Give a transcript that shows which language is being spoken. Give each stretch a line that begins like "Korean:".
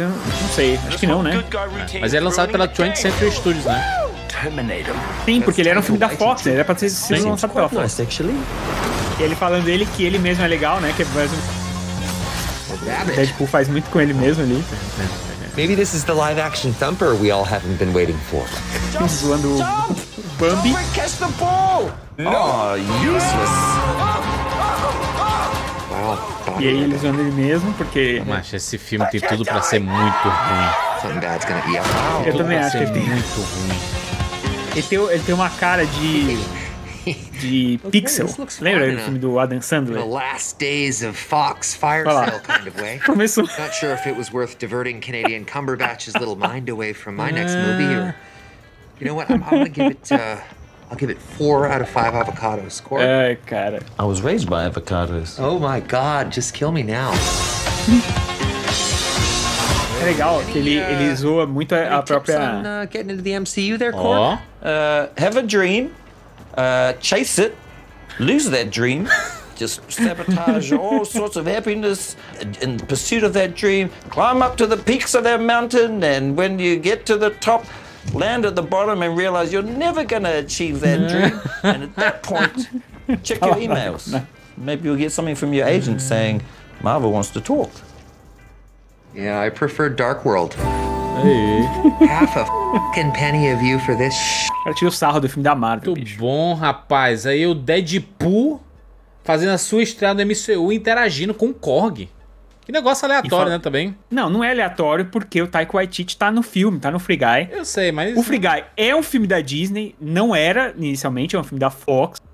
Portuguese: Não sei, acho que não, né? Mas ele é lançado pela 20th Century Studios, né? Sim, porque ele era um filme da Fox, né? Era pra ser lançado pela Fox. E ele falando dele que ele mesmo é legal, né? Que é mais um... Deadpool faz muito com ele mesmo ali.
English: Maybe this is the live action thumper we all haven't been waiting for. Jump,
Portuguese: zoando o Bambi.
English: Don't catch the ball! No, useless! Wow,
Portuguese: E aí eles andam ele mesmo, porque... Macho, esse filme tem tudo pra ser muito ruim. Eu também acho que ele tem. Muito ruim. Ele tem uma cara de... De Pixel. Lembra do filme do Adam Sandler?
English: The Last Days of Fox Firefly kind of way.
Portuguese: Começou.
English: Not sure if it was worth diverting Canadian Cumberbatch's little mind away from my next movie. Or, you know what? I'm gonna give it... I'll give it 4 out of 5 avocados. Score.
Portuguese: Cara.
English: I was raised by avocados. Oh my God, just kill me now.
Portuguese: É legal que ele zoa muito a própria...
English: Getting into the MCU there, Cor? Oh. Have a dream. Chase it. Lose that dream. Just sabotage all sorts of happiness in the pursuit of that dream. Climb up to the peaks of that mountain, and when you get to the top, land at the bottom and realize you're never gonna achieve that dream. And at that point, check your emails. Maybe you'll get something from your agent saying, Marvel wants to talk. Yeah, I prefer Dark World. Hey. Half a f***ing penny of you for this sh**.
Portuguese: Eu tiro o sarro do filme da Marvel. Muito bom, rapaz. Aí o Deadpool fazendo a sua estreia no MCU interagindo com o Korg. Que negócio aleatório, né, também? Não, não é aleatório porque o Taika Waititi tá no filme, tá no Free Guy. Eu sei, mas... O Free Guy é um filme da Disney, não era inicialmente, é um filme da Fox.